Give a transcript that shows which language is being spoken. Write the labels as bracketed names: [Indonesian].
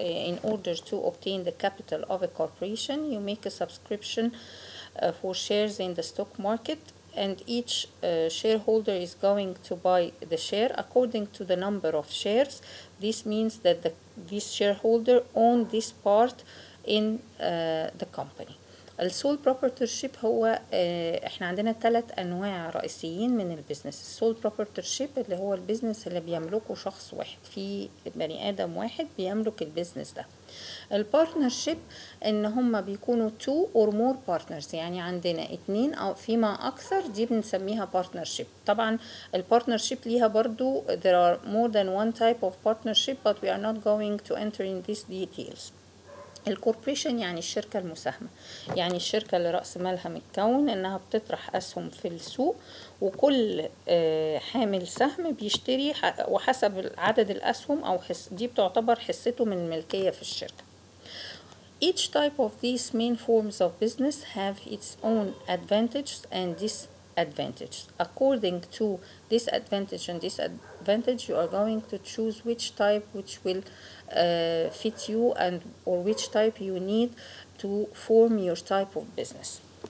[English] In order to obtain the capital of a corporation, you make a subscription for shares in the stock market. And each shareholder is going to buy the share according to the number of shares. This means that this shareholder owns this part in the company. [Arabic] The sole proprietorship هو احنا عندنا ثلاث انواع رئيسيين من البيزنس. Sole proprietorship اللي هو البيزنس اللي بيملكه شخص واحد, في بني ادم واحد بيملك البيزنس ده. البارتنرشيب ان هما بيكونوا [English] two or more partners, [Arabic] يعني عندنا اتنين او فيما اكثر, دي بنسميها partnership. طبعا البارتنرشيب ليها برضو, [English] there are more than one type of partnership, but we are not going to enter in these details. [Arabic] الكوربريشن يعني الشركة المساهمة, يعني الشركة اللي رأس مالها متكون انها بتطرح اسهم في السوق, وكل حامل سهم بيشتري وحسب عدد الاسهم او دي بتعتبر حصته من الملكية في الشركة. [English] Each type of these main forms of business have its own advantages and disadvantages. According to this advantage and disadvantage, you are going to choose which type which will fit you and or which type you need to form your type of business.